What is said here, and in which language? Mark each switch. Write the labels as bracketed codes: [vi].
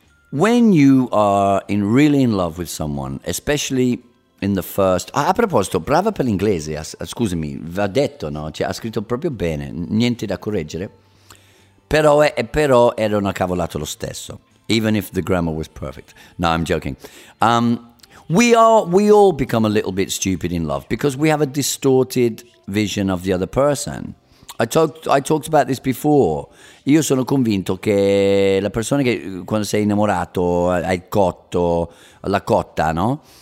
[en] When you are really in love with someone, especially in the first... [it] Ah, a proposito, brava per l'inglese, scusami, va detto, no? Cioè, ha scritto proprio bene, niente da correggere. Però era una cavolata lo stesso. [en] Even if the grammar was perfect. No, I'm joking. We all become a little bit stupid in love because we have a distorted vision of the other person. I talked about this before. [it] Io sono convinto che la persona che quando sei innamorato è cotto, la cotta, no?